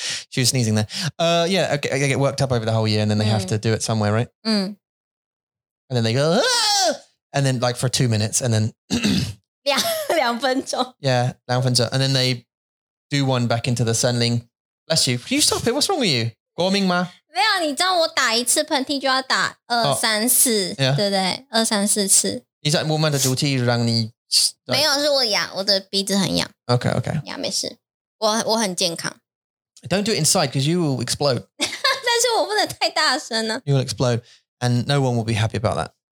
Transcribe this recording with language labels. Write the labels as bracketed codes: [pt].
[en] She was sneezing there. Yeah, okay, they get worked up over the whole year and then they have to do it somewhere, right? And then they go, and then like for 2 minutes and then... [zh] 两分钟. Yeah, 两分钟. [en] And then they do one back into the sunling. Bless you. Can you stop it? What's wrong with you? [zh] 过敏吗? 没有,你知道我打一次喷嚏就要打二三四,对不对? 二三四次. 你在我们的主题让你没有，是我痒，我的鼻子很痒。 [en] Okay, okay. [zh] 痒没事，我很健康。 [en] Don't do it inside because you will explode. [zh] 但是我不能太大声呢。 [en] You will explode, and no one will be happy about that.